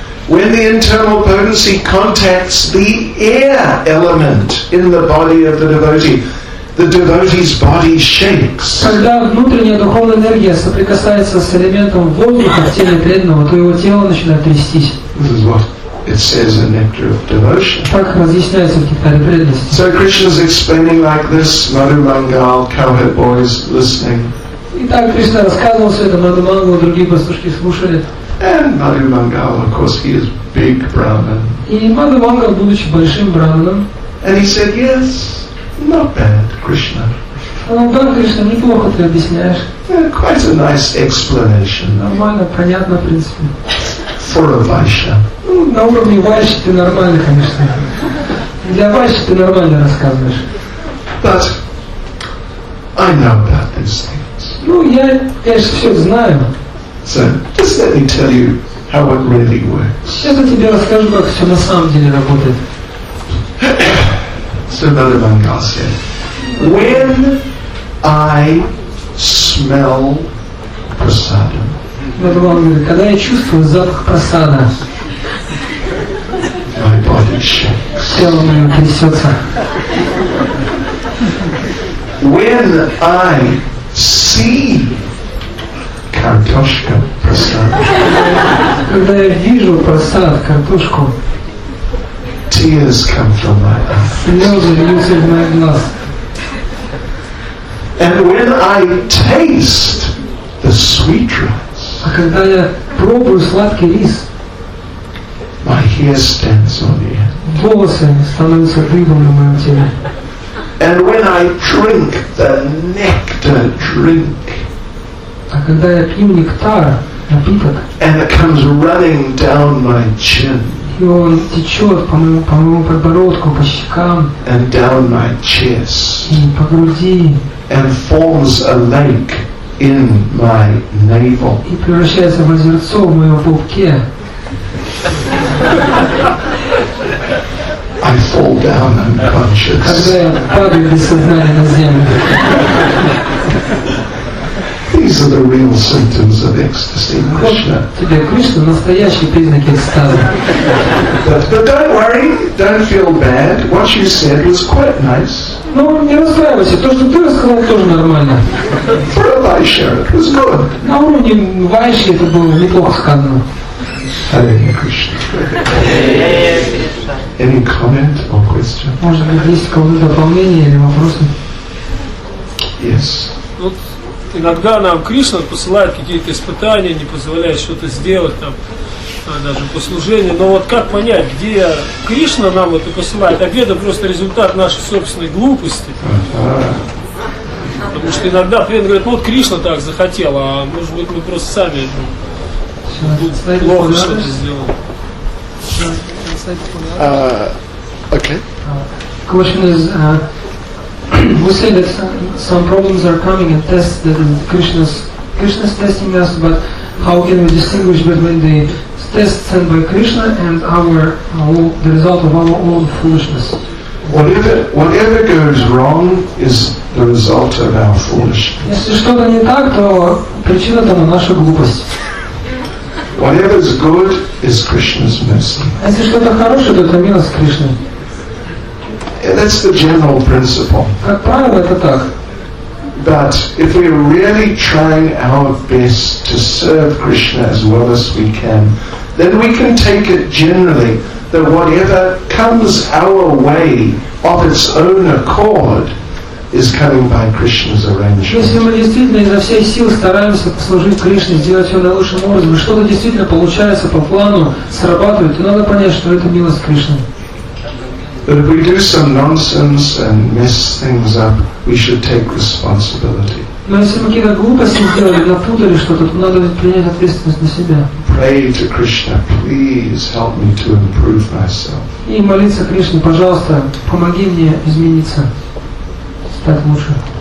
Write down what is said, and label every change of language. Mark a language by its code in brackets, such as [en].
[en] When the internal potency contacts the air element in the body of the devotee's body shakes. [ru] Когда внутренняя духовная энергия соприкасается с элементом воздуха в теле преданного, то его тело начинает трястись. [en] This is what it says in Nectar of Devotion. [ru] Так разъясняется в Нектаре преданности. [en] So Krishna's explaining like this, Madhu Mangal, cowherd boys listening. [ru] Итак, Кришна рассказывал все это, Madhu Mangal, другие пастушки слушали. [en] And Madhu Mangal, of course, he is big Brahman. [ru] И Madhu Mangal, будучи большим Брахманом. [en] And he said, yes, not bad, Krishna. [ru] Ну да, Кришна, неплохо ты объясняешь. [en] Yeah, quite a nice explanation. [ru] Нормально, понятно, в принципе. [en] For a Vaishya. [ru] Ну, на уровне Vaishya ты нормально, конечно. Для Vaishya ты нормально рассказываешь. [en] But I know about these things. [ru] Ну, я, конечно, все знаю. [en] So, just let me tell you how it really works. [ru] Сейчас я тебе расскажу, как все на самом деле работает. [en] So Madhu Mangal said, when I smell prasadam. [ru] Когда я чувствую запах просада, [en] my body shakes. [ru] Тело мое трясется. [en] When I see [ru] картошка просад, когда я вижу просад, картошку, [en] tears come from my eyes. [ru] Слезы льются из моих глаз. [en] And when I taste the sweet rice, [ru] а когда я пробую сладкий рис, [en] my hair stands on the end. [ru] Волосы становятся дыбом на моем теле. [en] And when I drink the nectar drink, [ru] а когда я пью нектар, напиток, [en] and it comes running down my chin, [ru] и он течет по моему подбородку, по щекам, [en] and down my chest, [ru] и по груди, [en] and forms a lake in my navel. [ru] И превращается в озерцо в моем пупке. [en] I fall down unconscious. [ru] Когда я падаю без сознания на землю. [en] These are the real symptoms of ecstasy, Krishna. [ru] Тебе Кришна настоящие признаки экстаза. [en] But don't worry, don't feel bad. What you said was quite nice. [ru] Ну, не расстраивайся, то, что ты рассказал, тоже нормально. [en] For Vaishya, it was good. [ru] На уровне Vaishya это было неплохо сказано. [en] Hare Krishna. Any comment or question? [ru] Может быть, есть какое-то дополнение или вопросы? [en] Yes. [ru] Иногда нам Кришна посылает какие-то испытания, не позволяет что-то сделать, там, даже послужение. Но вот как понять, где Кришна нам это посылает, а где это просто результат нашей собственной глупости? Потому что иногда преданные говорят, вот Кришна так захотел, а может быть мы просто сами плохо что-то сделали. [en] We say that some problems are coming and tests that Krishna's testing us, but how can we distinguish between the tests sent by Krishna and the result of our own foolishness? Whatever goes wrong is the result of our foolishness. [ru] Если что-то не так, то причина тому наша глупость. [en] Whatever is good is Krishna's mercy. [ru] Если что-то хорошее, то это милость Кришны. [en] That's the general principle. [ru] Как правило, это так. [en] But if we're really trying our best to serve Krishna as well as we can, then we can take it generally that whatever comes our way of its own accord is coming by Krishna's arrangement. [ru] Если мы действительно изо всех сил стараемся служить Кришне, сделать все наилучшим образом, что-то действительно получается по плану, срабатывает, то надо понять, что это милость Кришны. [en] But if we do some nonsense and mess things up, we should take responsibility. [ru] Но если мы какие-то глупости сделали, напутали что-то, то надо принять ответственность на себя. [en] Pray to Krishna, please help me to improve myself. [ru] И молиться Кришне, пожалуйста, помоги мне измениться, стать лучше.